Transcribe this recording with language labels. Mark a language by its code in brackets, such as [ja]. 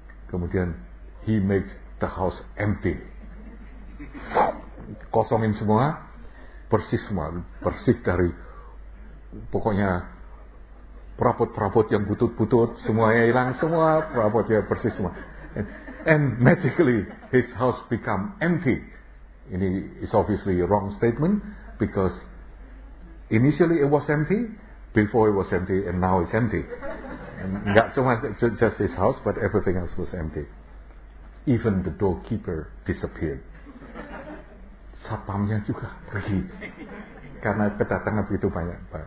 [id] Kemudian [en] he makes the house empty. [id] Kosongin semua, bersih semua, bersih dari pokoknya perabot-perabot yang butut-butut, semuanya hilang semua, perabotnya bersih semua. [en] And magically his house become empty. [id] Ini [en] is obviously a wrong statement because initially it was empty, before it was empty, and now it's empty. [id] Enggak cuma [en] just his house, but everything else was empty. Even the doorkeeper disappeared. [id] Satpamnya juga pergi karena kedatangan begitu banyak.